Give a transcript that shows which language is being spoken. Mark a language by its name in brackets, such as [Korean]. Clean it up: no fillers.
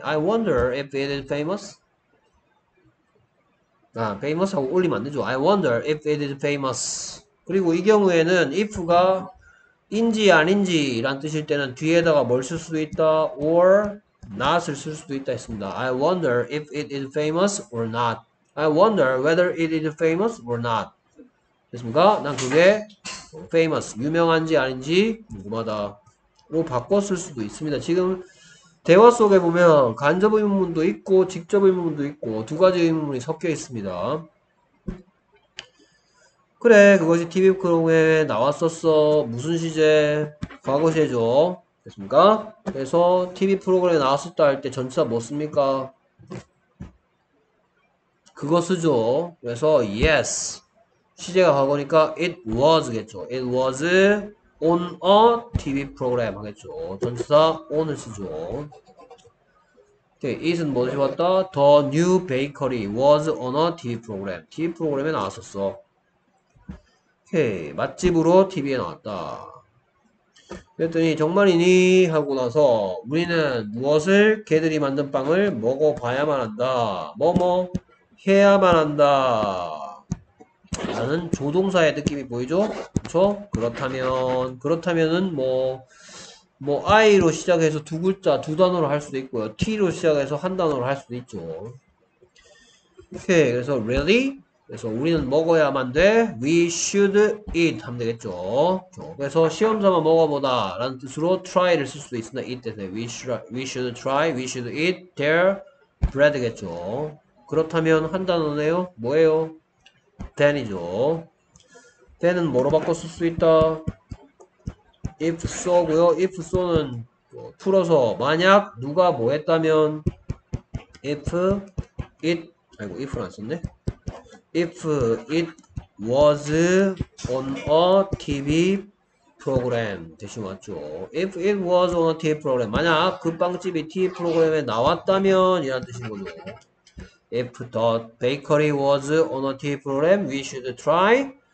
[English] I wonder if it is famous. [Korean] 아, famous 하고 올리면 안 되죠. [English] I wonder if it is famous. [Korean] 그리고 이 경우에는 if가 인지 아닌지란 뜻일 때는 뒤에다가 뭘쓸 수도 있다 or not을 쓸 수도 있다 했습니다. [English] I wonder if it is famous or not. I wonder whether it is famous or not. [Korean] 됐습니까? 난 그게 famous, 유명한지 아닌지 궁금하다로 바꿨을 수도 있습니다. 지금 대화 속에 보면 간접 의문문도 있고 직접 의문문도 있고 두 가지 의문문이 섞여 있습니다. 그래, 그것이 TV 프로그램에 나왔었어. 무슨 시제? 과거시제죠. 됐습니까? 그래서 TV 프로그램에 나왔었다 할때 전치사 뭐 씁니까? 그거 쓰죠. 그래서 yes. 시제가 과거니까 it was겠죠. [English] It was on a TV [Korean] 프로그램 하겠죠. 전치사 on을 쓰죠. It은 뭐지 봤다? [English] The new bakery was on a TV [Korean] 프로그램. TV 프로그램에 나왔었어. 오케이. 맛집으로 TV에 나왔다. 그랬더니 정말이니? 하고 나서 우리는 무엇을 걔들이 만든 빵을 먹어봐야만 한다. 뭐뭐 해야만 한다. 라는 조동사의 느낌이 보이죠? 그렇죠? 그렇다면은 뭐 I로 시작해서 두 글자 두 단어로 할 수도 있고요. T로 시작해서 한 단어로 할 수도 있죠. 오케이. 그래서 really? 그래서 우리는 먹어야만 돼. [English] We should eat [Korean] 하면 되겠죠. 그래서 시험 삼아 먹어보다 라는 뜻으로 try를 쓸 수도 있습니다. eat 대신에 [English] we should try, we should eat their bread겠죠. [Korean] 그렇다면 한 단어네요. 뭐예요? then이죠. then은 뭐로 바꿔 쓸수 있다? if so고요. if so는 풀어서 만약 누가 뭐 했다면 if it 아이고 if를 안 썼네. [English] If it was on a TV program. 대신 왔죠. If it was on a TV program. [Korean] 만약 그 빵집이 TV 프로그램에 나왔다면, 이란 뜻인 거죠. [English] If the bakery was on a TV program, we should try.